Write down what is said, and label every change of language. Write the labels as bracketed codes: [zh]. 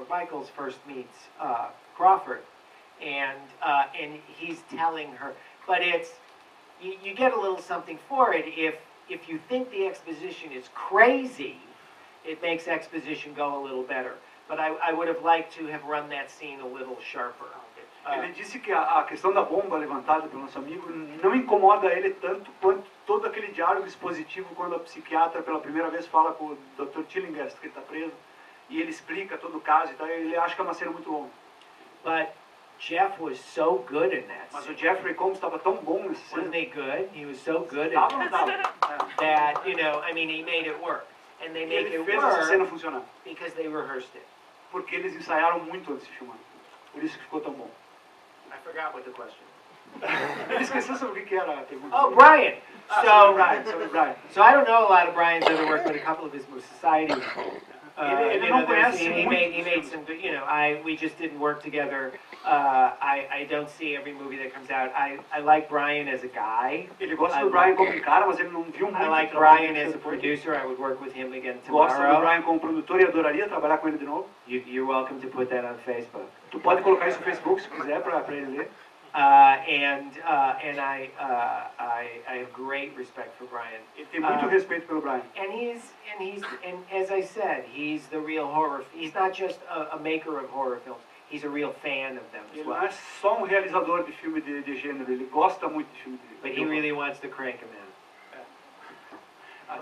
[en] Michaels, first meets Crawford, and he's telling her, but it's, you get a little something for it if you think the exposition is crazy. It makes exposition go a little better. But I would have liked to have run that scene a little sharper. [pt] Ele disse que a questão da bomba levantada pelo nosso amigo não incomoda ele tanto quanto todo aquele diálogo expositivo quando a psiquiatra pela primeira vez fala com o Dr. Tillinghast, que está preso, e ele explica todo o caso, então ele acha que é uma cena muito longa. [en] But Jeff was so good in that scene. [pt] Mas o Jeffrey Combs estava tão bom nessa cena. [en] Wasn't he good? He was so good in that. That, you know, I mean, he made it work. And they make [pt] ele fez [en] it work [pt] essa cena funcionar. [en] Because they rehearsed it. [pt] Porque eles ensaiaram muito antes de filmar. Por isso que ficou tão bom. [en] I forgot what the question. [pt] Ele esqueceu sobre o que era a pergunta. [en] Oh, Brian! [pt] Sobre Brian. [en] So I don't know a lot of Brian's other work, but a couple of his most society. [pt] Ele não conhece muito. [en] We just didn't work together. I don't see every movie that comes out. I like Brian as a guy. [pt] Ele gosta do Brian como cara, mas ele não viu muito. [en] I like Brian as a producer. I would work with him again tomorrow. [pt] Gosta do Brian como produtor e adoraria trabalhar com ele de novo. [en] You're welcome to put that on Facebook. [pt] Tu pode colocar isso no Facebook se quiser para ele ler. [en] I have great respect for Brian. [pt] Ele tem muito respeito pelo Brian. [en] And as I said, he's the real horror. He's not just a maker of horror films. He's a real fan of them. [pt] Ele não é só um realizador de filme de gênero. Ele gosta muito de filme de gênero. [en] But he really wants to crank him in.